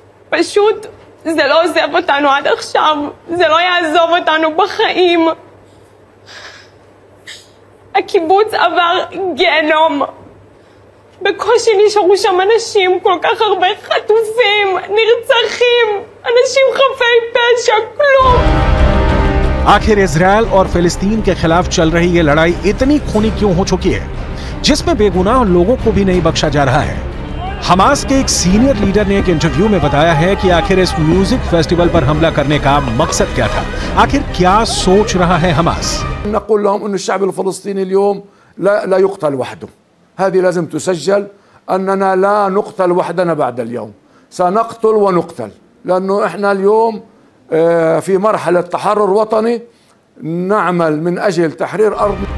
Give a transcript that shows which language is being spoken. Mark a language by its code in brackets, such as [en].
[he] פשוט זה לא עוזב אותנו עד עכשיו, זה לא יעזוב אותנו בחיים. הקיבוץ עבר גיהנום. בקושי נשארו שם אנשים, כל כך הרבה חטופים, נרצחים, אנשים חפי פשע, כלום. [hi] आखिर इसराइल और फिलिस्तीन के खिलाफ चल रही ये लड़ाई इतनी खूनी क्यों हो चुकी है जिसमें बेगुनाह लोगों को भी नहीं बख्शा जा रहा है। हमास के एक सीनियर लीडर ने एक इंटरव्यू में बताया है कि आखिर इस म्यूजिक फेस्टिवल पर हमला करने का मकसद क्या था, आखिर क्या सोच रहा है हमास। [ar] نقول لهم ان الشعب الفلسطيني اليوم لا يقتل وحده، هذه لازم تسجل اننا لا نقتل وحدنا بعد اليوم، سنقتل ونقتل لانه احنا اليوم في مرحلة تحرر وطني نعمل من أجل تحرير أرض